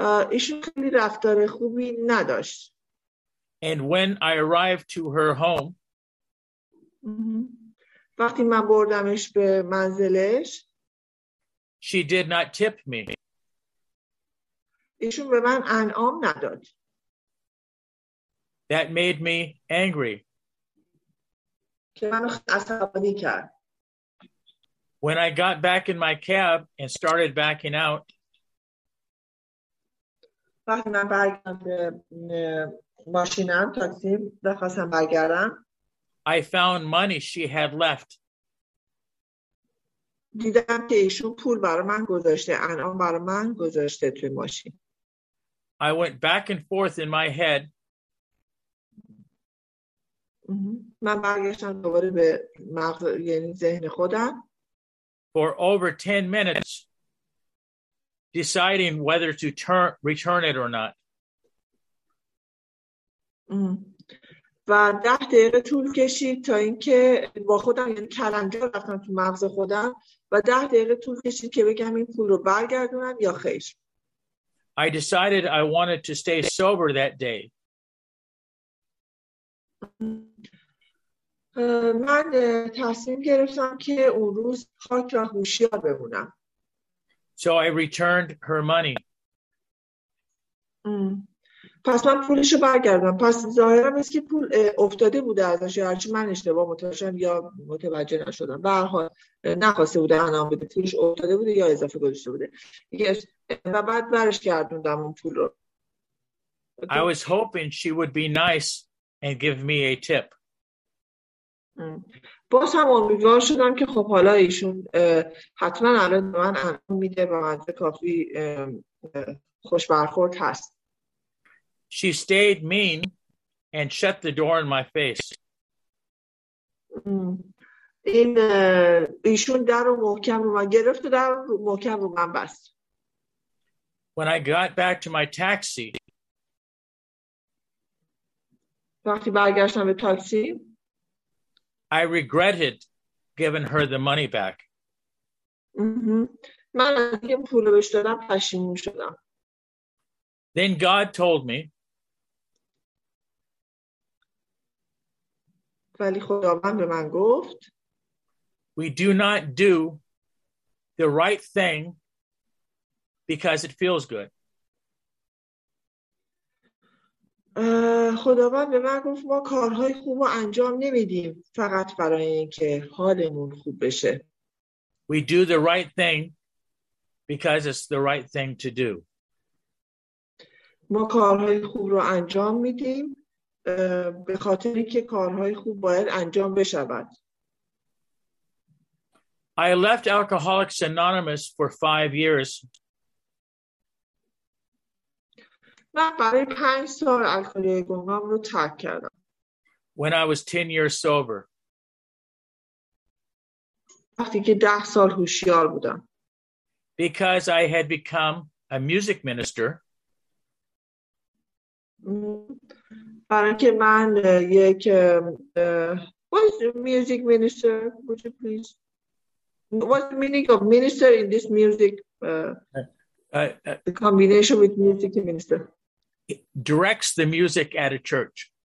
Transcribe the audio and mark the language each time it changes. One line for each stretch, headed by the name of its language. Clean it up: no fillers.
Persian: ایشون خیلی رفتار خوبی نداشت.
English: And when I arrived to her home,
Persian: وقتی من بردمش به منزلش,
English: she did not tip me.
Persian: ایشون به من انعام نداد.
English: That made me angry.
Persian: که منو عصبانی کرد.
English: When I got back in my cab and started backing out,
Persian: وقتی من برگردم به ماشینم تاکسی بخواستم برگردم,
English: I found money she had left.
Persian: دیدم که ایشون پول برای من گذاشته, انعام برای من گذاشته توی ماشین.
English: I went back and forth in my head.
Persian: من برگشتم دوباره به مغز, یعنی ذهن خودم.
English: For over 10 minutes. Deciding whether to return it or not.
Persian: و 10 دقیقه طول کشید تا اینکه با خودم, یعنی کلنجار رفتم تو مغز خودم, و 10 دقیقه طول کشید که بگم این پول رو برگردونم یا خیر.
English: I decided I wanted to stay sober that day.
Persian: من تصمیم گرفتم که اون روز پاک و هوشیار بمونم.
English: So I returned her money.
Persian: پس من پولش رو برگردم. پس ظاهرم است که پول افتاده بوده ازش, یا هرچی من اشتباه متوجهم یا متوجه نشدم. به هر حال نخواسته بوده انعام بده. پولش افتاده بوده یا اضافه گذاشته بوده.
English: Yes.
Persian: و بعد برش گردوندم اون پول رو.
English: I was hoping she would be nice and give me a tip.
Persian: باز هم امیدوار شدم که خب حالا ایشون حتما الان من انعام میده و من کافی خوش برخورد هست.
English: She stayed mean and shut the door in my face.
Persian: این ایشون در رو محکم رو من گرفت و در رو محکم رو من بست.
English: When I got back to my taxi,
Persian: وقتی برگشتم به تاکسی,
English: I regretted giving her the money back.
Persian: من اگه پول رو بهش دادم پشیمون شدم.
English: Then God told me.
Persian: ولی خداوند به من گفت.
English: We do not do the right thing because it feels good.
Persian: خداوند به من گفت ما کارهای خوب رو انجام نمیدیم فقط برای اینکه حالمون خوب بشه.
English: We do the right thing because it's the right thing to do.
Persian: ما کارهای خوب رو انجام میدیم به خاطر اینکه کارهای خوب باید انجام بشود.
English: I left Alcoholics Anonymous for 5 years.
Persian: من برای 5 سال الکلی گمنام رو ترک کردم.
English: When I was 10 years sober.
Persian: وقتی که 10 سال هوشیار بودم.
English: Because I had become a music minister.
Persian: برای که من یک
English: what's the music minister? Would you please? What's the meaning of minister in this music? The combination with music and minister. It directs the music at a church.